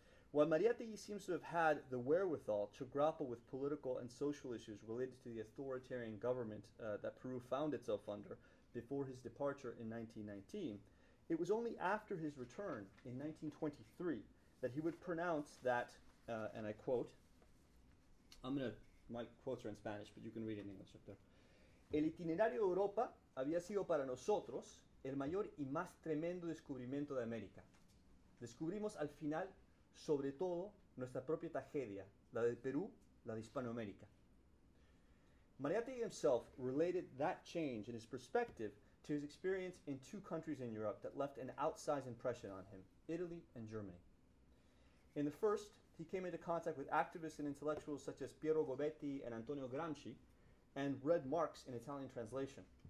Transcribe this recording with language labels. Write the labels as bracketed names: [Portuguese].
[English] While Mariátegui seems to have had the wherewithal to grapple with political and social issues related to the authoritarian government that Peru found itself under before his departure in 1919, it was only after his return in 1923 that he would pronounce that, and I quote, my quotes are in Spanish, but you can read it in English up there. [Spanish] El itinerario de Europa había sido para nosotros el mayor y más tremendo descubrimiento de América. Descubrimos al final, sobre todo, nuestra propia tragedia, la del Perú, la de Hispanoamérica. [English] Mariátegui himself related that change in his perspective to his experience in two countries in Europe that left an outsized impression on him, Italy and Germany. In the first, he came into contact with activists and intellectuals such as Piero Gobetti and Antonio Gramsci, and read Marx in Italian translation.